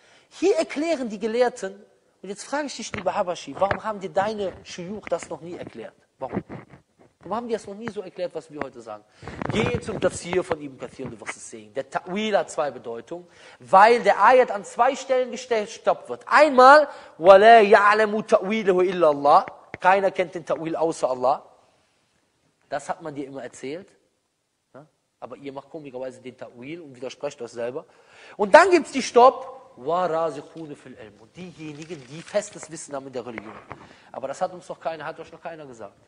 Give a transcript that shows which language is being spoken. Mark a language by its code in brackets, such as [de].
[de] Hier erklären die Gelehrten, und jetzt frage ich dich, lieber Habashi, warum haben dir deine Schuyuch das noch nie erklärt? Warum? Warum haben die das noch nie so erklärt, was wir heute sagen? Gehe zum Tafsir von Ibn Kathir und du wirst es sehen. Der Ta'wil hat zwei Bedeutungen, weil der Ayat an zwei Stellen gestoppt wird. Einmal, [ar] وَلَا يَعْلَمُ تَعْوِيلَهُ إِلَّا اللَّهُ. [de] Keiner kennt den Ta'wil außer Allah. Das hat man dir immer erzählt. Aber ihr macht komischerweise den Ta'wil und widersprecht euch selber. Und dann gibt es die Stopp. [ar] وَرَازِخُونَ فِي الْعِلْمُ. [de] Diejenigen, die festes Wissen haben in der Religion. Aber das hat uns noch keiner, hat euch noch keiner gesagt.